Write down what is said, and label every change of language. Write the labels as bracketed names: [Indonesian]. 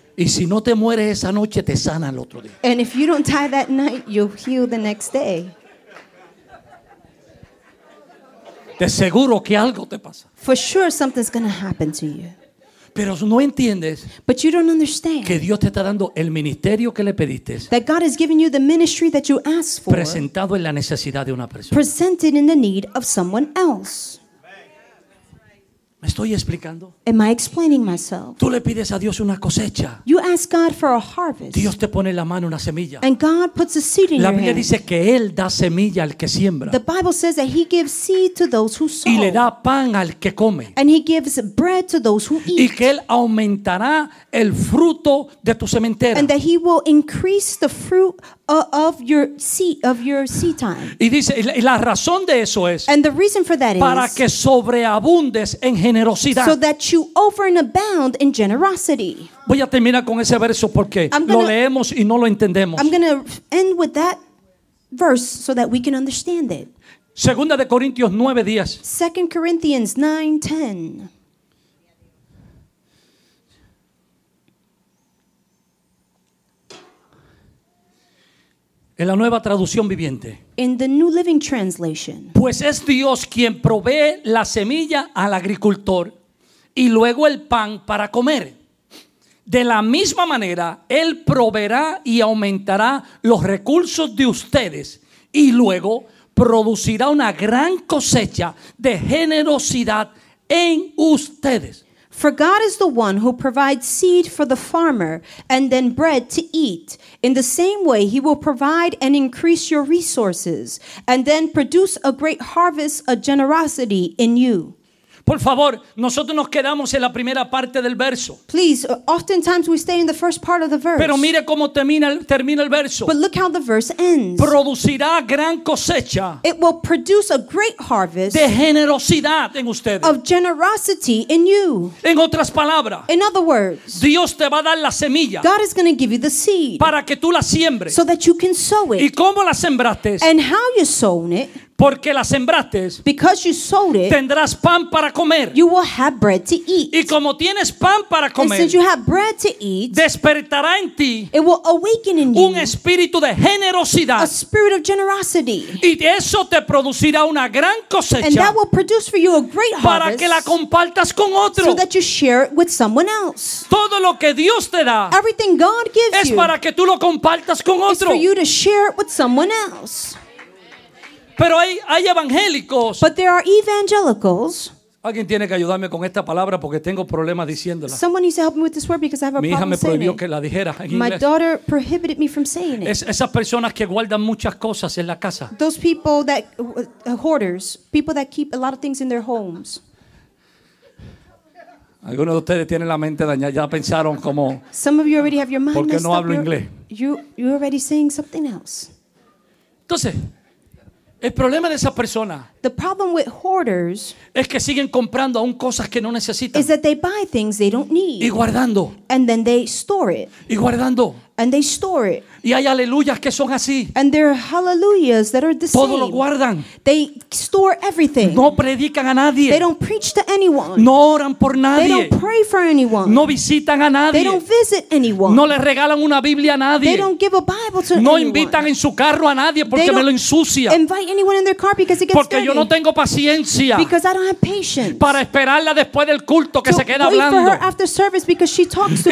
[Spanish] Y si no te mueres esa noche, te sana el otro día. [English] And if you don't die that night, you'll heal the next day. [Spanish] De seguro que algo te pasa. [English] For sure something's going to happen to you. [Spanish] Pero no entiendes. [English] But you don't understand. [Spanish] Que Dios te está dando el ministerio que le pediste. [English] That God has given you the ministry that you asked for. [Spanish] Presentado en la necesidad de una persona. [English] Presented in the need of someone else. [Spanish] ¿Me estoy explicando? [English] Am I explaining myself? [Spanish] Tú le pides a Dios una cosecha. [English] You ask God for a harvest. [Spanish] Dios te pone en la mano una semilla. [English] And God puts a seed in your hand. [Spanish] La Biblia dice que Él da semilla al que siembra. [English] The Bible says that He gives seed to those who sow. [Spanish] Y le da pan al que come. [English] And He gives bread to those who eat. [Spanish] Y que Él aumentará el fruto de tu sementera. [English] And that He will increase the fruit of your seed time. [Spanish] Y dice, y la razón de eso es, [English] and the reason for that [Spanish] para [English] is [Spanish] que sobreabundes en generosidad. [English] So that you over and abound in generosity. [Spanish] Voy a terminar con ese verso porque lo leemos y no lo entendemos. [English] I'm going to end with that verse so that we can understand it. [Spanish] Segunda de Corintios 9:10. [English] 2 Corinthians 9:10. [Spanish] En la nueva traducción viviente. [English] In the New Living Translation. [Spanish] Pues es Dios quien provee la semilla al agricultor y luego el pan para comer. De la misma manera, Él proveerá y aumentará los recursos de ustedes y luego producirá una gran cosecha de generosidad en ustedes. [English] For God is the one who provides seed for the farmer and then bread to eat. In the same way, He will provide and increase your resources and then produce a great harvest of generosity in you. [Spanish] Por favor, nosotros nos quedamos en la primera parte del verso. [English] Please, oftentimes we stay in the first part of the verse. [Spanish] Pero mire cómo termina el verso. [English] But look how the verse ends. [Spanish] Producirá gran cosecha. [English] It will produce a great harvest. [Spanish] De generosidad en ustedes. [English] Of generosity in you. [Spanish] En otras palabras. [English] In other words. [Spanish] Dios te va a dar la semilla. [English] God is going to give you the seed. [Spanish] Para que tú la siembres. [English] So that you can sow it. [Spanish] ¿Y cómo la sembraste? [English] And how you sown it. [Spanish] Porque la sembraste. [English] Because you sowed it. [Spanish] Tendrás pan para comer. [English] You will have bread to eat. [Spanish] Y como tienes pan para comer. [English] And since you have bread to eat. [Spanish] Despertará en ti. [English] It will awaken in you. [Spanish] Un espíritu de generosidad. [English] A spirit of generosity. [Spanish] Y eso te producirá una gran cosecha. [English] And that will produce for you a great harvest. [Spanish] Para que la compartas con otro. [English] So that you share it with someone else. [Spanish] Todo lo que Dios te da. [English] Everything God gives [Spanish] es [English] you. [Spanish] Es para que tú lo compartas con otro. [English] Is for you to share it with someone else. [Spanish] Pero hay evangélicos. [English] But there are evangelicals. [Spanish] Alguien tiene que ayudarme con esta palabra porque tengo problemas diciéndola. [English] Someone needs to help me with this word because I have a problem saying it. [Spanish] Mi hija me prohibió que la dijera en inglés. [English] My daughter prohibited me from saying it. [Spanish] Esas personas que guardan muchas cosas en la casa. [English] Those people that hoarders, people that keep a lot of things in their homes. [Spanish] Algunos de ustedes tienen la mente dañada, ya pensaron como. [English] Some of you already have your mind. [Spanish] Porque no hablo inglés. [English] You're already saying something else. [Spanish] Entonces, El problema de esa persona [English] the problem with hoarders [Spanish] es que siguen comprando aún cosas que no necesitan. [English] Is that they buy things they don't need. [Spanish] Y guardando. [English] And then they store it. [Spanish] Y guardando. [English] And they store it. [Spanish] Y hay aleluyas que son así. [English] And there are hallelujahs that are the [Spanish] Todo [English] same. [Spanish] Todo lo guardan. [English] They store everything. [Spanish] No predican a nadie. [English] They don't preach to anyone. [Spanish] No oran por nadie. [English] They don't pray for anyone. [Spanish] No visitan a nadie. [English] They don't visit anyone. [Spanish] No le regalan una Biblia a nadie. [English] They don't give a Bible to [Spanish] no [English] anyone. [Spanish] No invitan en su carro a nadie porque me lo ensucia. [English] Invite anyone in their car because it gets [Spanish] porque [English] dirty. [Spanish] Yo no tengo paciencia. [English] Because I don't have patience. [Spanish] Para esperarla después del culto que [English] to [Spanish] se queda hablando. [English] Wait for her after service because she talks too